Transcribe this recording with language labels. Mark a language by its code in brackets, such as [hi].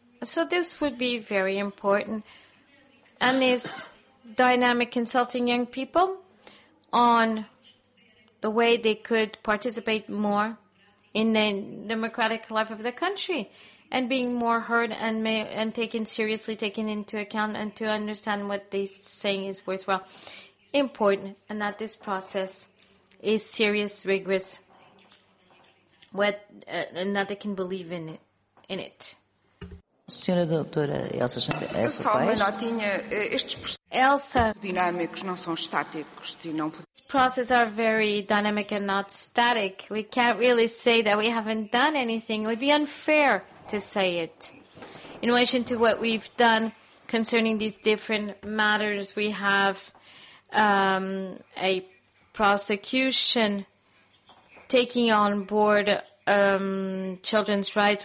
[en] So this would be very important. And this dynamic consulting young people on the way they could participate more in the democratic life of the country, and being more heard and taken seriously, taken into account, and to understand what they're saying is worthwhile, important, and that this process is serious, rigorous, and that they can believe in it. [pt] Senhora doutora Elsa, só uma notinha. Estes dinâmicos não são estáticos e não. [en] These processes are very dynamic and not static. We can't really say that we haven't done anything. It would be unfair to say it. In relation to what we've done concerning these different matters, we have a prosecution taking on board children's rights.